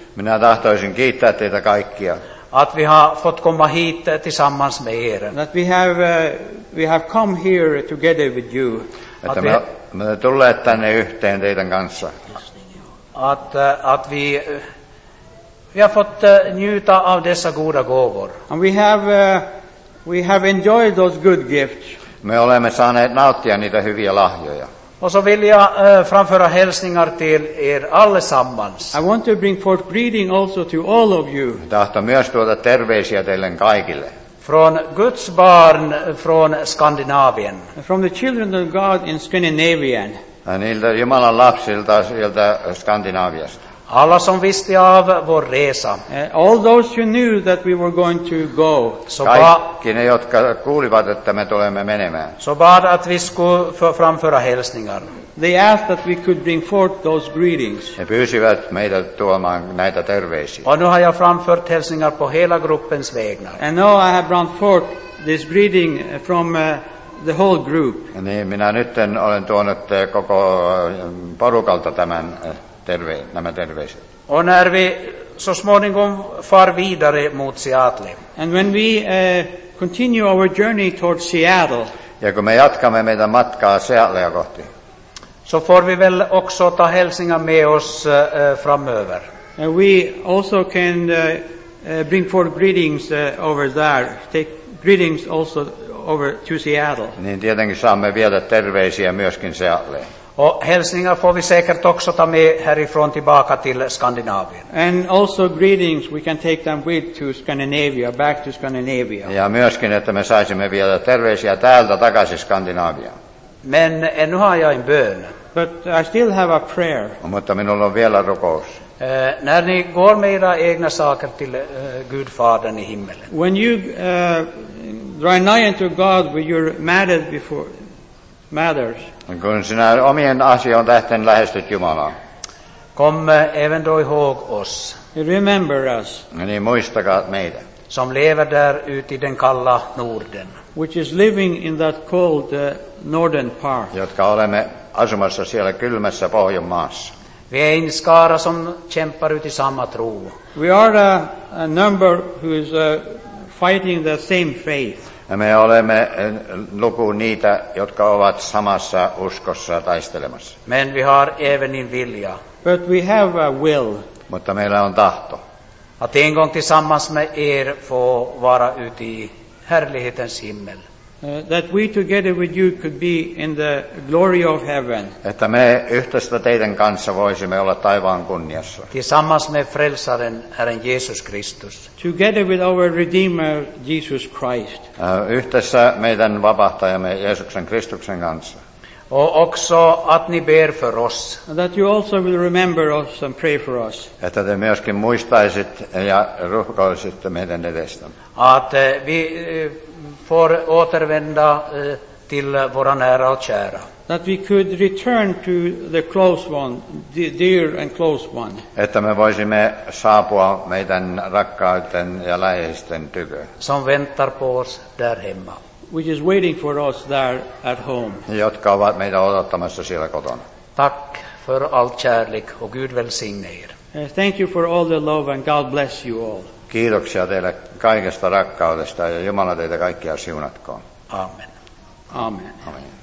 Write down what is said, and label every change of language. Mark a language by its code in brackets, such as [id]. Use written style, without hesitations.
[fi] Minä tahtoisin kiittää teitä kaikkia. [sv] Att vi har fått komma hit tillsammans med er. [en] That we have come here together with you. [fi] Että me tulleet tänne yhteen teidän kanssa. [sv] Att vi har fått njuta av dessa goda gåvor. [en] And we have enjoyed those good gifts. [fi] Me olemme saaneet nauttia niitä hyviä lahjoja. [sv] Och så vill jag framföra hälsningar till er allesammans. [en] I want to bring forth greeting also to all of you. [fi] Tahto myös tuoda terveisiä teille kaikille. [sv] Från Guds barn från Skandinavien. [en] From the children of God in Scandinavia. [fi] Niiltä Jumalan lapsilta sieltä Skandinaviasta. [sv] Alla som visste av vår resa. [en] All those who knew that we were going to go. [fi] Kaikki ne, jotka kuulivat, että me tulemme menemään. [sv] So bad att vi skulle framföra hälsningar. [en] They asked that we could bring forth those greetings. [fi] He pyysivät meitä tuomaan näitä terveisiä. [sv] Och nu har jag framfört hälsningar på hela gruppens vägnar. [en] And now I have brought forth this greeting from the whole group. [fi] Niin, minä nytten olen tuonut koko porukalta tämän nämä terveiset. [sv] Och när vi så småningom far vidare mot Seattle. [en] And when we continue our journey towards Seattle. [fi] Ja kun me jatkamme meidän matkaa Seattlea kohti. [sv] Så får vi väl också ta hälsningar med oss framöver. [en] And we also can bring forth greetings over there. Take greetings also over to Seattle. [fi] Niin tietenkin saamme viedä terveisiä myöskin Seattleen. [sv] Och hälsningar får vi säkert också ta med härifrån tillbaka till Skandinavien. [en] And also greetings we can take them with to Scandinavia, back to Scandinavia. [fi] Ja myöskin, että me saisimme viedä terveisiä täältä takaisin Skandinaviaan. [sv] Men ännu har jag en bön. [en] But I still have a prayer. [fi] Mutta minulla on vielä rukous. [sv] När ni går med era egna saker till Gud Fadern i himmelen. [en] When you draw nigh unto God with your matters before matters. [fi] Kun sinä omien asioiden tähden lähestyt Jumalaa. [sv] Komme även då ihåg oss. [en] Remember us. [fi] Niin muistakaa meitä. [sv] Som lever där ute i den kalla Norden. [en] Which is living in that cold northern part. [fi] Jotka olemme asumassa siellä kylmässä Pohjanmaassa. [sv] Vi är en skara som kämpar ut i samma tro. [en] We are a number who is fighting the same faith. [fi] Ja me olemme luku niitä, jotka ovat samassa uskossa taistelemassa. [sv] Men vi har även en vilja. [en] But we have a will. [fi] Mutta meillä on tahto. [sv] Att en gång tillsammans med er få vara ute i härlighetens himmel. [en] That we together with you could be in the glory of heaven. [fi] Että me yhdessä teidän kanssa voisimme olla taivaan kunniassa. [sv] Tillsammans med frälsaren Herren Jesus Kristus. [en] Together with our Redeemer Jesus Christ. [fi] Yhdessä meidän vapahtajamme Jeesuksen Kristuksen kanssa. [sv] Och också att ni ber för oss. [en] That you also will remember us and pray for us. [fi] Että te myöskin muistaisit ja rukoisitte meidän edestämme. [sv] Att vi får återvända till våra nära och kära. [en] That we could return to the close one, the dear and close one. [fi] Että me voisimme saapua meidän rakkaiden ja läheisten tykö. [sv] Som väntar på oss där hemma. [en] Which is waiting for us there at home. [fi] Jotka ovat meitä odottamassa siellä kotona. [sv] Tack för all kärlek och Gud välsigne er. [en] Thank you for all the love and God bless you all. [fi] Kiitoksia teille kaikesta rakkaudesta ja Jumala teitä kaikkia siunatkoon. [sv] Amen. [en] Amen. [fi] Amen.